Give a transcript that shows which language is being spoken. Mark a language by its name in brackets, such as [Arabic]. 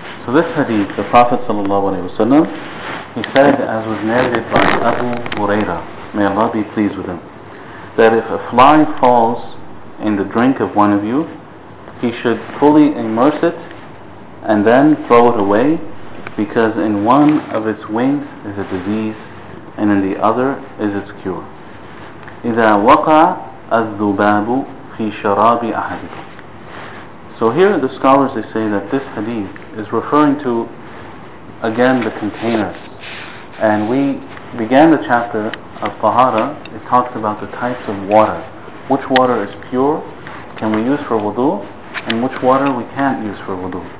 [English] So this hadith, the Prophet sallallahu alaihi wasallam, he said, as was narrated by Abu Huraira, may Allah be pleased with him, that if a fly falls in the drink of one of you, he should fully immerse it and then throw it away, because in one of its wings is a disease and in the other is its cure. [Arabic] إِذَا وَقَعَ الذُّبَابُ فِي شَرَابِ أَحَدِكُمْ. [English] So here the scholars, they say that this hadith is referring to, again, the container. And we began the chapter of Tahara. It talks about the types of water. Which water is pure, can we use for wudu, and which water we can't use for wudu.